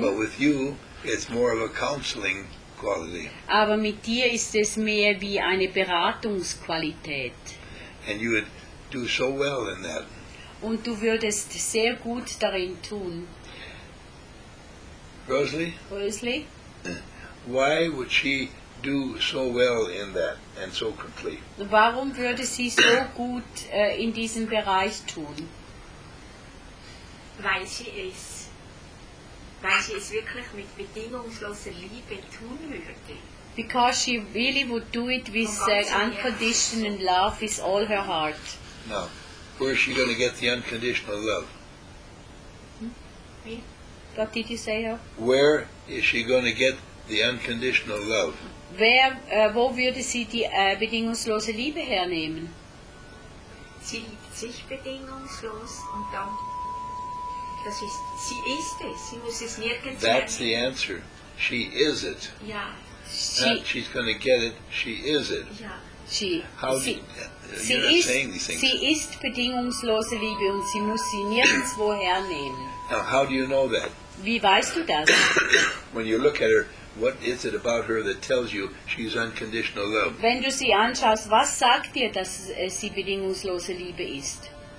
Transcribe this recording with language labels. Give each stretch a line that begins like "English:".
English: But with you, it's more of a counseling quality.
German: Aber mit dir ist es mehr wie eine Beratungsqualität.
English: And you would do so well in that.
German: Und du würdest sehr gut darin tun.
English: Rosalie? Why would she do so well in that and so quickly?
German: Warum würde sie so gut in diesem Bereich tun? Weil sie es wirklich mit bedingungsloser Liebe tun würde.
English: Because she really would do it with unconditional love with all her heart. No. Where is she going to get the unconditional love? What did you say? Her? Where is she going to get the unconditional love?
German: Wo würde sie die bedingungslose Liebe hernehmen? Sie liebt sich bedingungslos und dann, das ist, sie ist es, sie muss es nirgends hernehmen.
English: That's the answer. She is it. Yeah. She, not she's going to get it, she is it. Yeah.
German: Sie ist bedingungslose Liebe und sie muss sie nirgendwo hernehmen.
English: Now, how do you know that?
German: Wie weißt du das?
English: When you look at her, what is it about her that tells you she's unconditional love?
German: Wenn du sie anschaust, was sagt dir, dass sie bedingungslose Liebe ist?